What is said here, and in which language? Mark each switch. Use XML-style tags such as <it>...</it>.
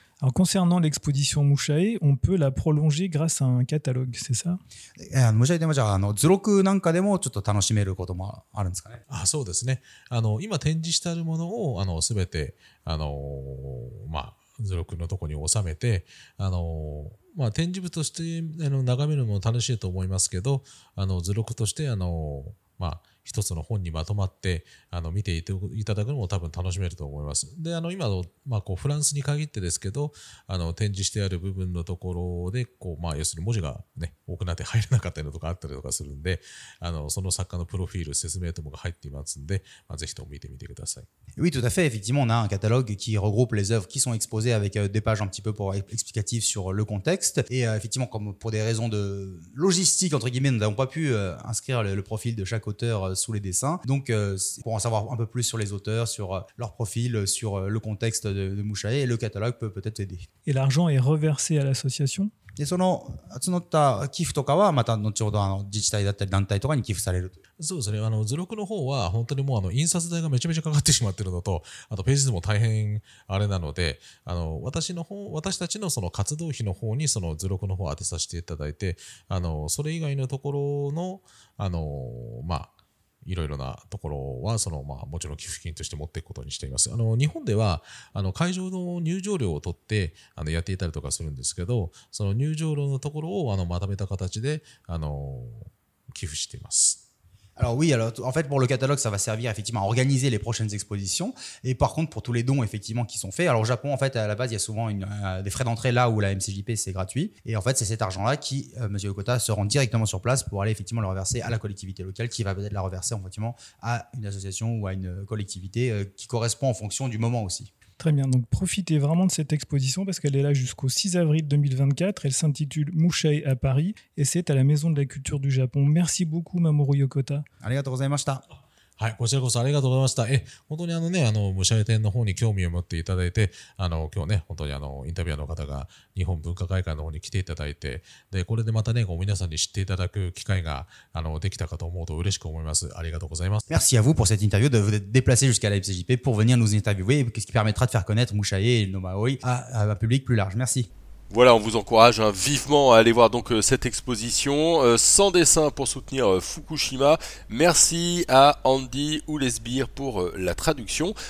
<fr>Alors concernant l'exposition Mushae, on peut la prolonger grâce à un catalogue, c'est ça?</fr> <ja>Mushae でもじゃあ、あの、図録なんかでもちょっと楽しめることもあるんですかね？あ、そうですね。あの、今展示してあるものを、あの、すべて、あの、まあ、図録のとこに収めて、あの、まあ、展示物として、あの、眺めるのも楽しいと思いますけど、あの、図録として、あの、まあ、一つの本にまとまってあの見ていただくのも多分楽しめると思います。で、あの今の、まあ、こうフランスに限ってですけど、あの展示してある部分のところでこう、まあ、要するに文字が、ね、多くなって入らなかったりとかあったりとかするんで、あのその作家のプロフィール、説明ともが入っていますので、まあ、ぜひとも見てみてください。</ja> <fr>Oui, tout à fait. Effectivement, on a un catalogue qui regroupe les œuvres qui sont exposées avec des pages un petit peu pour explicatives sur le contexte. Et effectivement, comme pour des raisons de logistique, entre guillemets, nous n'avons pas pu inscrire le profil de chaque auteur sous les dessins. Donc, pour en savoir un peu plus sur les auteurs, sur leur profil, sur le contexte de Mushae, le catalogue peut peut-être aider. Et l'argent est reversé à l'association ?</fr> <ja>でその募った寄付とかはまた後ほどあの自治体だったり団体とかに寄付されると。そうですね。あの図録の方は本当にもうあの印刷代がめちゃめちゃかかってしまっているのと、あとページ数も大変あれなので、あの私の方私たちのその活動費の方にその図録の方を当てさせていただいて、あのそれ以外のところのあのまあ。いろいろなところはその、まあ、もちろん寄付金として持っていくことにしています。あの日本ではあの会場の入場料を取ってあのやっていたりとかするんですけど、その入場料のところをあのまとめた形であの寄付しています。</ja> <fr>Alors oui, alors en fait pour le catalogue ça va servir effectivement à organiser les prochaines expositions, et par contre pour tous les dons effectivement qui sont faits, alors au Japon en fait à la base il y a souvent des frais d'entrée là où la MCJP c'est gratuit, et en fait c'est cet argent là qui monsieur Okota se rend directement sur place pour aller effectivement le reverser à la collectivité locale qui va peut-être la reverser effectivement à une association ou à une collectivité qui correspond en fonction du moment aussi. Très bien, donc profitez vraiment de cette exposition parce qu'elle est là jusqu'au 6 avril 2024. Elle s'intitule Mushae à Paris et c'est à la Maison de la Culture du Japon. Merci beaucoup, Mamoru Yokota.</fr> <ja>ありがとうございました。はい、こちらこそありがとうございました。え、本当にあのね、あの、ムシャエ展の方に興味を持っていただいて、あの、今日ね、本当にあの、インタビュアーの方が日本文化会館の方に来ていただいて、で、これでまたね、こう皆さんに知っていただく機会が、あの、できたかと思うと嬉しく思います。ありがとうございます。</ja> <fr>Merci à vous pour cette interview de vous déplacer jusqu'à la MCJP pour venir nous interviewer, ce qui permettra de faire connaître Mushae et No Maoi à un public plus large. Merci. Voilà, on vous encourage hein, vivement à aller voir donc cette exposition sans dessin pour soutenir Fukushima. Merci à Andy Oulesbir pour la traduction.</fr>